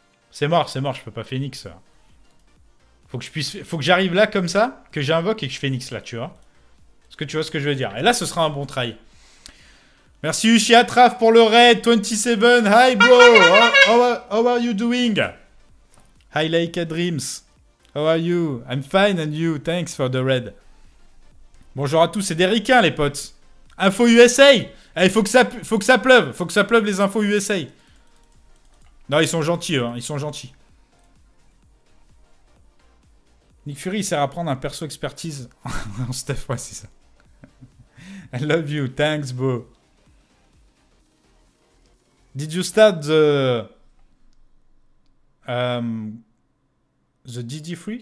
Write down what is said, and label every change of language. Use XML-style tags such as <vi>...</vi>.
<fr>C'est mort, je peux pas Phoenix, là. Faut que je puisse... Faut que j'arrive là, comme ça, que j'invoque et que je Phoenix, là, tu vois? Est-ce que tu vois ce que je veux dire? Et là, ce sera un bon try. Merci Uchiha Traf pour le raid 27.</fr> <en>Hi bro, how are you doing? Hi Leica Dreams, how are you? I'm fine and you? Thanks for the raid.</en> <fr>Bonjour à tous, c'est des ricains les potes. Info USA. Il faut que ça pleuve, faut que ça pleuve les infos USA. Non, ils sont gentils, hein, ils sont gentils. Nick Fury, il sert à prendre un perso expertise en stuff, ouais, c'est ça.</fr> <en>I love you, thanks bro. Did you start the DD free?</en>